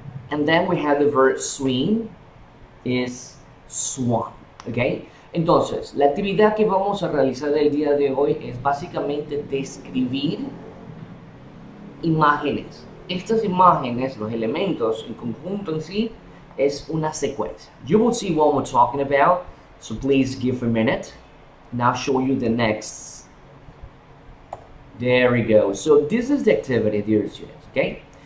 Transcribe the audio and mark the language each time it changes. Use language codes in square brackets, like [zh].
[en] And then we have the verb swim, is swan, okay? [es] Entonces, la actividad que vamos a realizar el día de hoy es básicamente describir imágenes. Estas imágenes, los elementos en conjunto en sí, es una secuencia. [en] You will see what we're talking about, so please give a minute, and I'll show you the next. There we go. So this is the activity, dear students, okay?